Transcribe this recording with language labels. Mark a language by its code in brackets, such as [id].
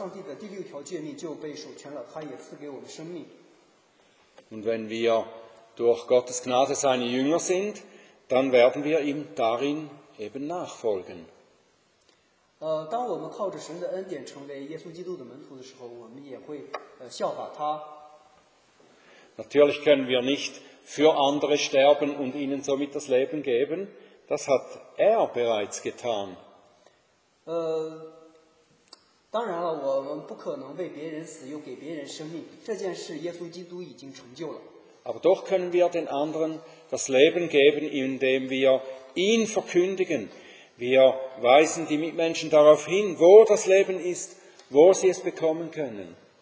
[zh] 通过这种方式，上帝的第六条诫命就被守全了，他也赐给我们生命。 [de] Und wenn wir durch Gottes Gnade seine Jünger sind, dann werden wir ihm darin eben nachfolgen. Natürlich können wir nicht für andere sterben und ihnen somit das Leben geben. Das hat er bereits getan. [zh] 当然了，我们不可能为别人死又给别人生命，这件事耶稣基督已经成就了。 [de] Aber doch können wir den anderen das Leben geben, indem wir ihn verkündigen. Wir weisen die Mitmenschen darauf hin, wo das Leben ist, wo sie es bekommen können.